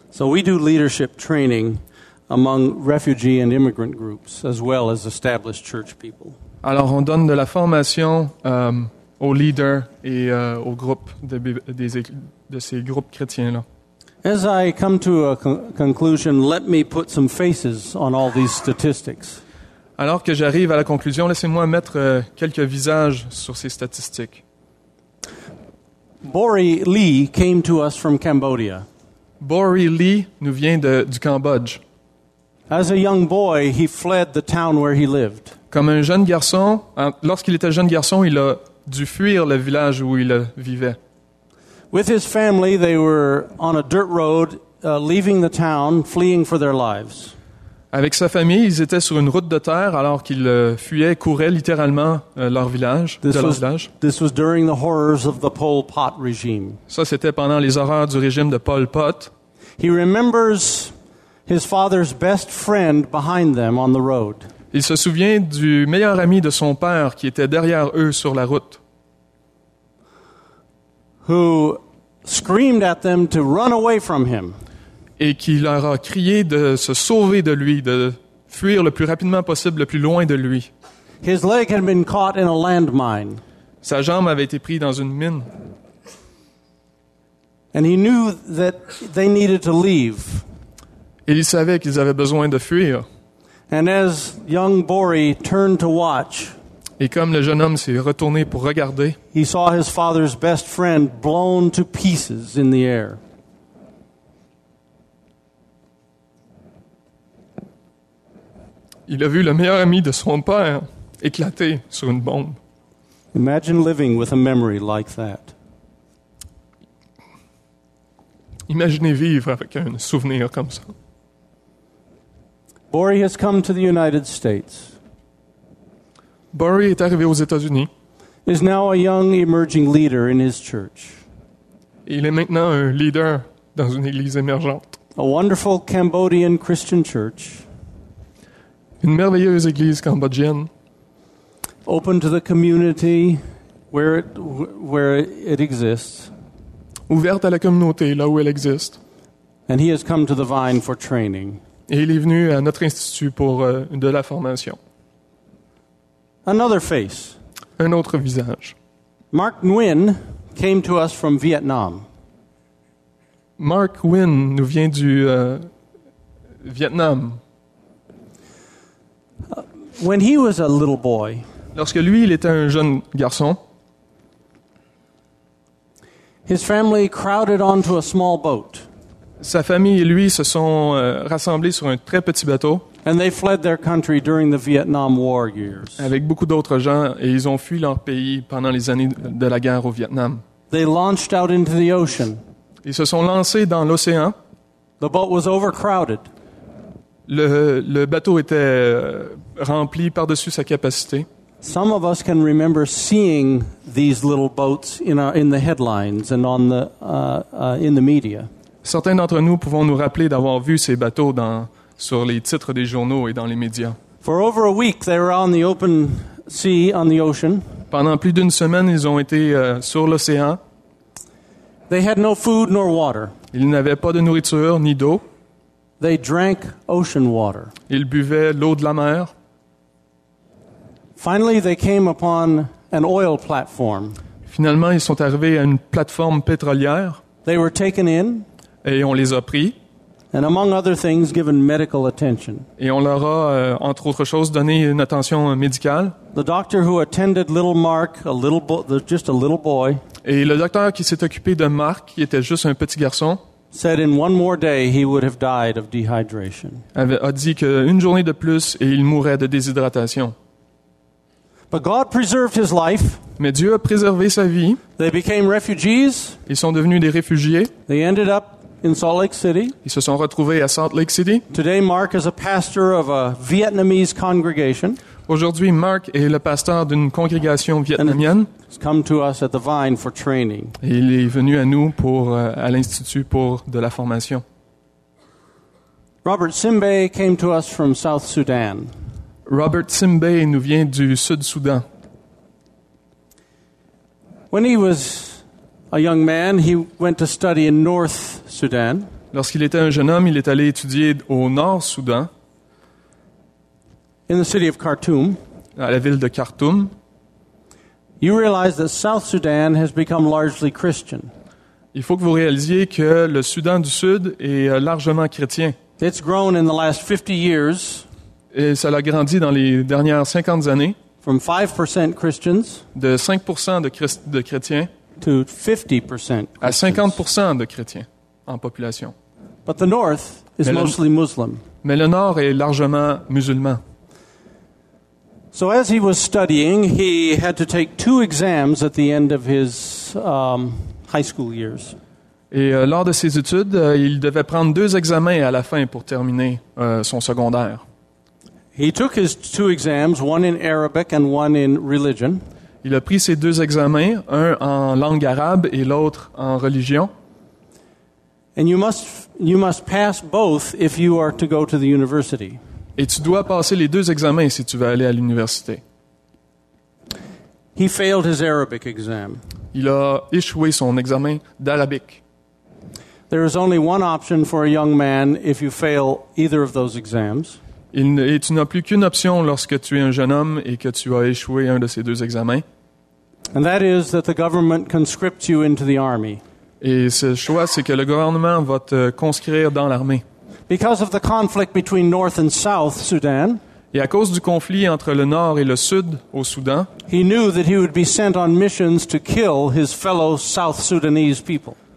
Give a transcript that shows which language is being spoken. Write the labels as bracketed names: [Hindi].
[English] So we do leadership training among refugee and immigrant groups as well as established church people. [French] Alors on donne de la formation aux leaders et aux groupes de ces groupes chrétiens là. [English] As I come to a conclusion, let me put some faces on all these statistics. [French] Alors que j'arrive à la conclusion, laissez-moi mettre quelques visages sur ces statistiques. [English] Bori Lee came to us from Cambodia. [French] Bori Lee nous vient du Cambodge. [English] As a young boy, he fled the town where he lived. [French] Comme un jeune garçon, lorsqu'il était jeune garçon, il a dû fuir le village où il vivait. [English] With his family, they were on a dirt road, leaving the town, fleeing for their lives. [French] Avec sa famille, ils étaient sur une route de terre alors qu'ils fuyaient, couraient littéralement leur village. [English] This was during the horrors of the Pol Pot regime. [French] Ça, c'était pendant les horreurs du régime de Pol Pot. [English] He remembers his father's best friend behind them on the road. [French] Il se souvient du meilleur ami de son père qui était derrière eux sur la route. [English] Who screamed at them to run away from him. [French] Et qui leur a crié de se sauver de lui, de fuir le plus rapidement possible, le plus loin de lui. [English] His leg had been caught in a landmine. [French] Sa jambe avait été prise dans une mine. [English] And he knew that they needed to leave. [French] Et il savait qu'ils avaient besoin de fuir. [English] And as young Bori turned to watch, [French] et comme le jeune homme s'est retourné pour regarder, [English] he saw his father's best friend blown to pieces in the air. [French] Il a vu le meilleur ami de son père éclater sur une bombe. [English] Imagine living with a memory like that. [French] Imaginez vivre avec un souvenir comme ça. [English] Bori has come to the United States. [French] Bori est arrivé aux États-Unis. [English] Is now a young emerging leader in his church. [French] Il est maintenant un leader dans une église émergente. [English] A wonderful Cambodian Christian church. [French] Une merveilleuse église cambodgienne. [English] Open to the community where it exists. [French] Ouverte à la communauté là où elle existe. [English] And he has come to the Vine for training. [French] Et il est venu à notre institut pour de la formation. [English] Another face. [French] Un autre visage. [English] Mark Nguyen came to us from Vietnam. [French] Mark Nguyen nous vient du Vietnam. [English] When he was a little boy. [French] Lorsque lui il était un jeune garçon. [English] His family crowded onto a small boat. [French] Sa famille et lui se sont rassemblés sur un très petit bateau. [English] And they fled their country during the Vietnam War years. [French] Avec beaucoup d'autres gens et ils ont fui leur pays pendant les années de la guerre au Vietnam. [English] They launched out into the ocean. [French] Ils se sont lancés dans l'océan. [English] The boat was overcrowded. [French] Le bateau était rempli par-dessus sa capacité. [English] Some of us can remember seeing these little boats in the headlines and on the in the media. [French] Certains d'entre nous pouvons nous rappeler d'avoir vu ces bateaux sur les titres des journaux et dans les médias. [English] For over a week, they were on the open sea, on the ocean. [French] Pendant plus d'une semaine, ils ont été sur l'océan. [English] They had no food nor water. [French] Ils n'avaient pas de nourriture ni d'eau. [English] They drank ocean water. [French] Ils buvaient l'eau de la mer. [English] Finally, they came upon an oil platform. [French] Finalement, ils sont arrivés à une plateforme pétrolière. [English] They were taken in. [French] Et on les a pris. [English] And among other things, given medical attention. [French] Et on leur a, entre autres choses, donné une attention médicale. [English] The doctor who attended little Mark, a little just a little boy. [French] Et le docteur qui s'est occupé de Mark, qui était juste un petit garçon, [English] said in one more day he would have died of dehydration. [French] A dit qu'une journée de plus et il mourrait de déshydratation. [English] But God preserved his life. [French] Mais Dieu a préservé sa vie. [English] They became refugees. [French] Ils sont devenus des réfugiés. [English] They ended up in Salt Lake City. [French] Ils se sont retrouvés à Salt Lake City. [English] Today, Mark is a pastor of a Vietnamese congregation. [French] Aujourd'hui, Mark est le pasteur d'une congrégation vietnamienne. [English] He's come to us at the Vine for training. [French] Et il est venu à nous pour à l'institut pour de la formation. [English] Robert Simbe came to us from South Sudan. [French] Robert Simbe nous vient du Sud-Soudan. [English] When he was a young man, he went to study in North Sudan. [French] Lorsqu'il était un jeune homme, il est allé étudier au Nord-Soudan. [English] In the city of Khartoum. [French] À la ville de Khartoum. [English] You realize that South Sudan has become largely Christian. [French] Il faut que vous réalisiez que le Soudan du Sud est largement chrétien. [English] It's grown in the last 50 years. [French] Et ça a grandi dans les dernières 50 années. [English] From 5% Christians. [French] De 5% de chrétiens. [English] To 50% [French] à 50% de chrétiens en population. [English] But the north is mostly Muslim. [French] Mais le nord est largement musulman. [English] So as he was studying, he had to take two exams at the end of his high school years. [French] Et lors de ses études, il devait prendre deux examens à la fin pour terminer son secondaire. [English] He took his two exams, one in Arabic and one in religion. [French] Il a pris ses deux examens, un en langue arabe et l'autre en religion. [English] And you must pass both if you are to go to the university. [French] Et tu dois passer les deux examens si tu veux aller à l'université. [English] He failed his Arabic exam. [French] Il a échoué son examen d'arabic. [English] There is only one option for a young man if you fail either of those exams. [French] Et tu n'as plus qu'une option lorsque tu es un jeune homme et que tu as échoué un de ces deux examens. [English] And that is that the government conscripts you into the army. [French] Et ce choix, c'est que le gouvernement va te conscrire dans l'armée. [English] Because of the conflict between North and South Sudan. [French] Et à cause du conflit entre le Nord et le Sud au Soudan. [English] He knew that he would be sent on missions to kill his fellow South Sudanese people.